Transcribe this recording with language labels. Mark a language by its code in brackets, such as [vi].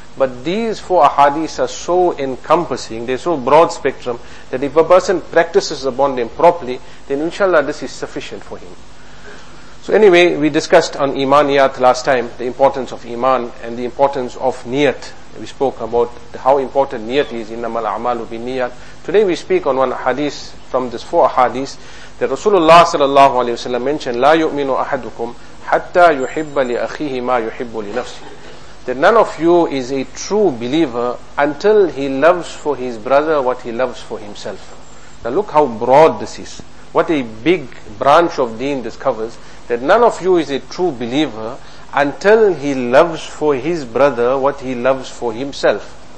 [en] But these four ahadith are so encompassing, they're so broad spectrum, that if a person practices upon them properly, then inshallah this is sufficient for him. So anyway, we discussed on Imaniyat last time, the importance of Iman and the importance of Niyat. We spoke about how important Niyat is, innamal a'malu bi Niyat. Today we speak on one hadith from this four ahadith. That Rasulullah sallallahu alayhi wa sallam mentioned, [ar] لَا يُؤْمِنُ أَحَدُكُمْ حَتَّى يُحِبَّ لِأَخِيهِ مَا يُحِبُّ لِنَفْسِهِ. [en] That none of you is a true believer until he loves for his brother what he loves for himself. Now look how broad this is. What a big branch of deen this covers. That none of you is a true believer until he loves for his brother what he loves for himself.